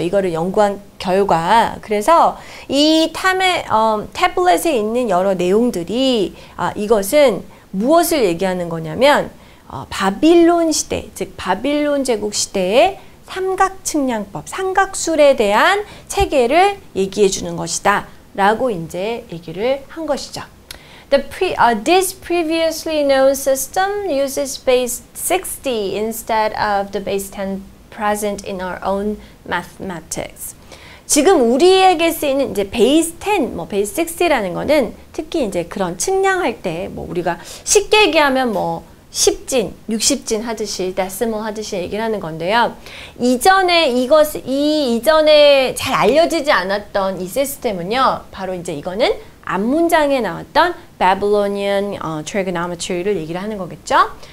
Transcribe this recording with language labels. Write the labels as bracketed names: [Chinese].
[Korean] 이거를 연구한 결과. 그래서 이 태블릿에 있는 여러 내용들이 이것은 무엇을 얘기하는 거냐면 바빌론 시대, 즉 바빌론 제국 시대의 삼각측량법, 삼각술에 대한 체계를 얘기해 주는 것이다 라고 이제 얘기를 한 것이죠. [English] This previously known system uses base 60 instead of the base 10 present in our own mathematics. [Korean] 지금 우리에게 쓰이는 이제 베이스 10, 뭐 베이스 60라는 거는 특히 이제 그런 측량할 때 뭐 우리가 쉽게 얘기하면 뭐 10진, 60진 하듯이, 데시멀 하듯이 얘기를 하는 건데요. 이전에 잘 알려지지 않았던 이 시스템은요, 바로 이제 이거는 앞문장에 나왔던 Babylonian trigonometry를 얘기를 하는 거겠죠.